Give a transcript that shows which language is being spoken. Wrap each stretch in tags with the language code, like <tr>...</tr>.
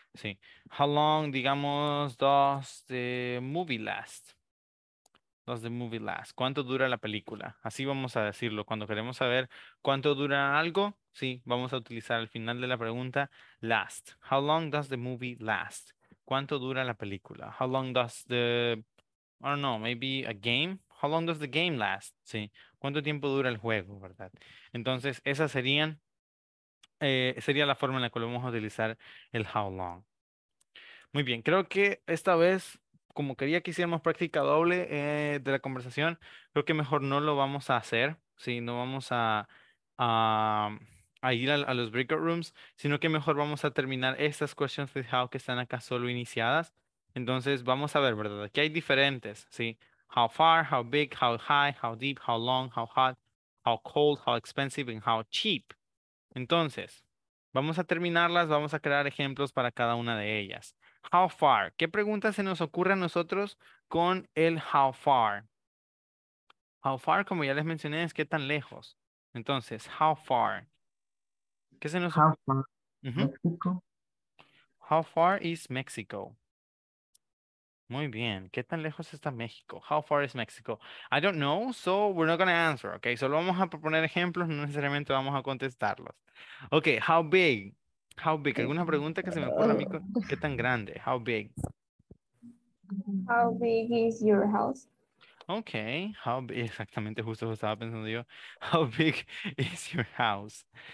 <en>Sí, how long, digamos, does the movie last? Does the movie last?</en> <es>¿Cuánto dura la película? Así vamos a decirlo. Cuando queremos saber cuánto dura algo, sí, vamos a utilizar al final de la pregunta, last.</es> <en>How long does the movie last?</en> <es>¿Cuánto dura la película?</es> <en>How long does the, I don't know, maybe a game? How long does the game last?</en> <es>Sí, ¿cuánto tiempo dura el juego, verdad? Entonces, esas serían, sería la forma en la cual vamos a utilizar el how long. Muy bien, creo que esta vez, como quería que hiciéramos práctica doble de la conversación, creo que mejor no lo vamos a hacer, ¿sí? No vamos a ir a los breakout rooms, sino que mejor vamos a terminar estas questions with how que están acá solo iniciadas. Entonces, vamos a ver, ¿verdad? Aquí hay diferentes, ¿sí?</es> <en>How far, how big, how high, how deep, how long, how hot, how cold, how expensive, and how cheap.</en> <es>Entonces, vamos a terminarlas, vamos a crear ejemplos para cada una de ellas.</es> <en>How far?</en> <es>¿Qué pregunta se nos ocurre a nosotros con el how far? How far, como ya les mencioné, es qué tan lejos. Entonces, how far? ¿Qué se nos</es> <en>ocurre? How far? Mexico. How far is Mexico?</en> <es>Muy bien. ¿Qué tan lejos está México?</es> <en>How far is Mexico? I don't know, so we're not going to answer, okay?</en> <es>Solo vamos a proponer ejemplos, no necesariamente vamos a contestarlos.</es> <en>Okay, how big? How big?</en> <es>¿Alguna pregunta que se me ocurra a mí? ¿Qué tan grande?</es> <en>How big? How big is your house? Okay. How big?</en> <es>Exactamente, justo lo estaba pensando yo.</es> <en>How big is your house?</en>